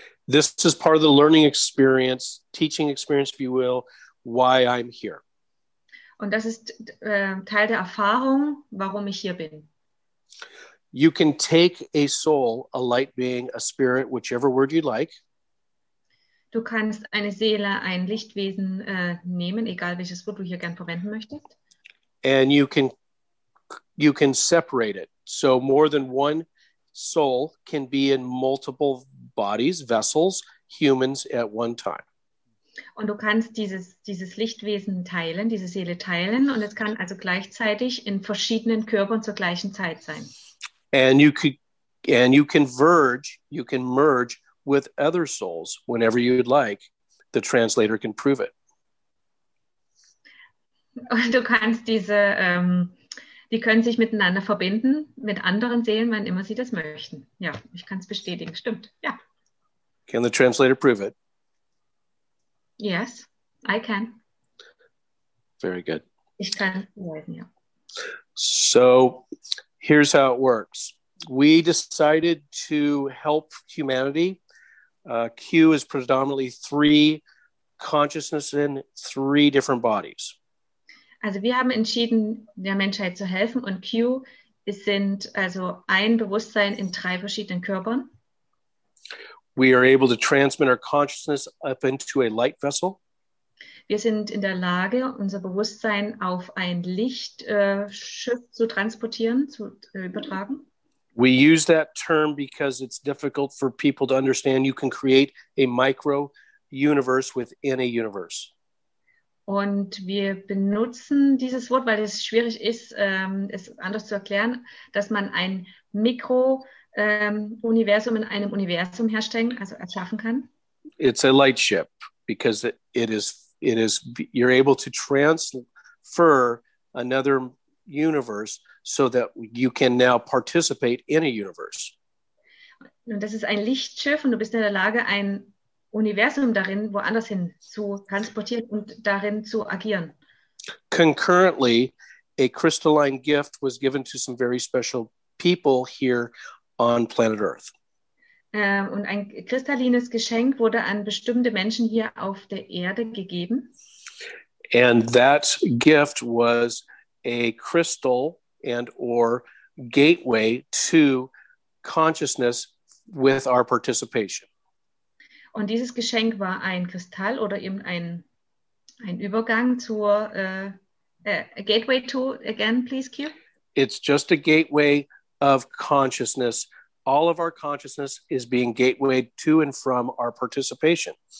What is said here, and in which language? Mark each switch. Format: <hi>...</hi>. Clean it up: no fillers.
<en>This is part of the learning experience, teaching experience, if you will, why I'm here.</en> <de>Und das ist Teil der Erfahrung, warum ich hier bin.</de> <en>You can take a soul, a light being, a spirit, whichever word you like.</en> <de>Du kannst eine Seele, ein Lichtwesen nehmen, egal welches Wort du hier gern verwenden möchtest.</de> <en>And you can separate it. So more than one soul can be in multiple bodies, vessels, humans at one time.</en> <de>Und du kannst dieses Lichtwesen teilen, diese Seele teilen, und es kann also gleichzeitig in verschiedenen Körpern zur gleichen Zeit sein.</de> <en>And you can merge with other souls whenever you'd like. The translator can prove it.</en> <de>Und du kannst diese, die können sich miteinander verbinden, mit anderen Seelen, wann immer sie das möchten. Ja, ich kann es bestätigen. Stimmt, ja.</de> <en>Can the translator prove it? Yes, I can. Very good.</en> <de>Ich kann arbeiten, ja.</de> <en>So here's how it works. We decided to help humanity. Q is predominantly three consciousness in three different bodies.</en> <de>Also wir haben entschieden, der Menschheit zu helfen, und Q sind also ein Bewusstsein in drei verschiedenen Körpern.</de> <en>We are able to transmit our consciousness up into a light vessel.</en> <de>Wir sind in der Lage, unser Bewusstsein auf ein Lichtschiff zu transportieren, zu übertragen.</de> <en>We use that term because it's difficult for people to understand. You can create a micro universe within a universe.</en> <de>Und wir benutzen dieses Wort, weil es schwierig ist, es anders zu erklären, dass man ein Mikro-Universum in einem Universum herstellen, also erschaffen kann.</de> <en>It's a light ship because it is you're able to transfer another universe so that you can now participate in a universe.</en> <de>Und das ist ein Lichtschiff, und du bist in der Lage, ein Universum darin woanders hin zu transportieren und darin zu agieren.</de> <en>Concurrently, a crystalline gift was given to some very special people here on planet Earth.</en> <de>Und ein kristallines Geschenk wurde an bestimmte Menschen hier auf der Erde gegeben.</de> <en>And that gift was a crystal and or gateway to consciousness with our participation.</en> <de>Und dieses Geschenk war ein Kristall oder eben ein Übergang zur</de> <en>gateway to, again, please,</en> <de>Q.</de> <en>It's just a gateway of consciousness. All of our consciousness is being gatewayed to and from our participation.</en>